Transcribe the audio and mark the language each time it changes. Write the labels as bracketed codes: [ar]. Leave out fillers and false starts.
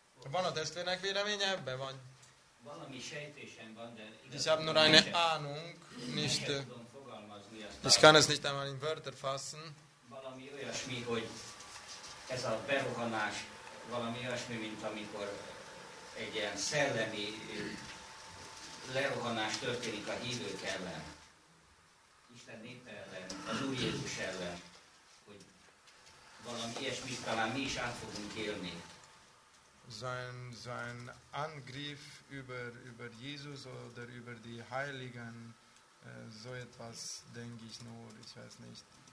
[hu] Van a testvérnek véleménye ebben? Valami sejtésem van, de... [de] Ich habe nur eine Ahnung, nicht... Ich kann es nicht einmal in Wörter fassen. [hu] Valami olyasmi, hogy ez a berohanás, valami olyasmi, mint amikor egy ilyen szellemi lerohanás történik a hívők ellen, Isten népe ellen, az Úr Jézus ellen, hogy valami ilyesmit talán mi is át fogunk élni. [de] Sein Angriff über Jesus oder über die Heiligen, so etwas denke ich nur, ich weiß nicht.